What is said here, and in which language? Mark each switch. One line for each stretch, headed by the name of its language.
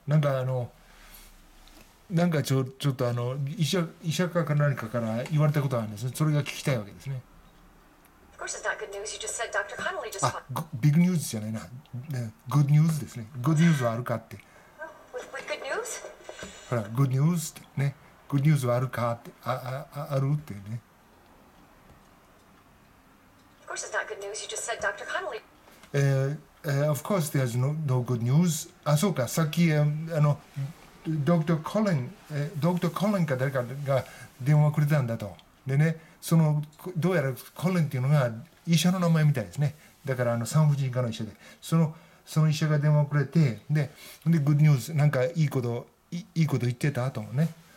Japanese: なんか、あの、なんかちょっとあの医者かか何かから言われたことがあるんですね。それが聞きたいわけですね。
English: Of course it's not good news. You just said Dr. Connolly just called.
Japanese: Big news じゃないな。Good news ですね。Good news はあるかって。
English: With good news?
Japanese: ほら、good news ってね。Good news はあるかって、あるってね。
English: Of course it's not good news. You just said Dr. Connolly. Of course there's no good news.
Japanese: あ、そうか。さっき、あの、ドクター・コリンか誰かが電話くれたんだと。でね、そのどうやらコリンっていうのが医者の名前みたいですね。だから、あの、産婦人科の医者で、その医者が電話くれて、でグッドニュース、なんかいいこと言ってたとね。